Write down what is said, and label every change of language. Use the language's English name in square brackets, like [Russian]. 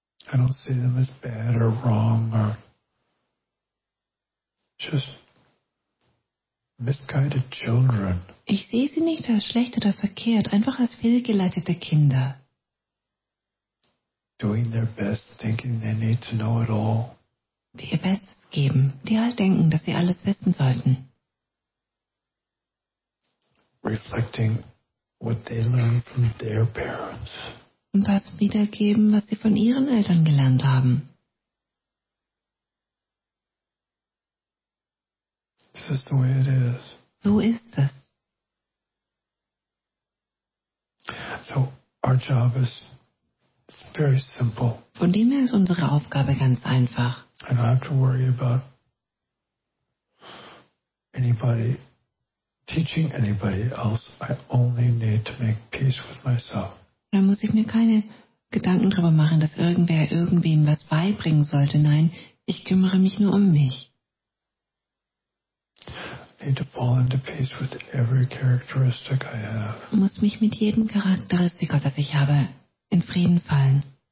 [English] I don't see them as bad or wrong or just misguided children. [German] Ich sehe sie nicht als schlecht oder verkehrt, einfach als fehlgeleitete Kinder. [English] Doing their best, thinking they need to know it all. [German] Die ihr Bestes geben, die halt denken, dass sie alles wissen sollten. [English] Reflecting what they learned from their parents. [German] Und das wiedergeben, was sie von ihren Eltern gelernt haben. [English] This is the way it is. [German] So ist es. [English] So, our job is very simple. [German] Von dem her ist unsere Aufgabe ganz einfach. [English] I don't have to worry about anybody teaching anybody else. I only need to make peace with myself. [German] Da muss ich mir keine Gedanken darüber machen, dass irgendwer irgendwem was beibringen sollte. Nein, ich kümmere mich nur um mich. Ich muss mich mit jedem Charakteristikum, das ich habe, in Frieden fallen.